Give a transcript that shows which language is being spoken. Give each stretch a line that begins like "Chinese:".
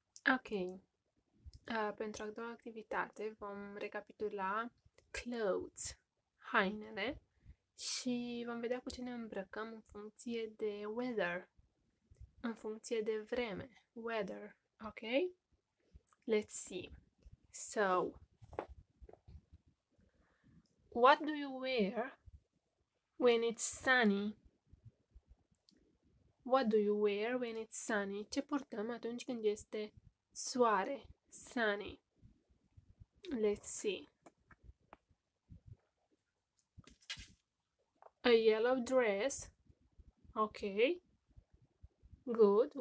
Romanian: Ok, pentru a doua activitate vom recapitula clothes, hainele, și vom vedea cu ce ne îmbrăcăm în funcție de weather, în funcție de vreme, weather, ok?
English: Let's see. So, what do you wear when it's sunny? What do you wear when it's sunny?
Romanian: Ce purtăm atunci când este soare, sunny?
English: Let's see. A yellow dress. Okay. Good.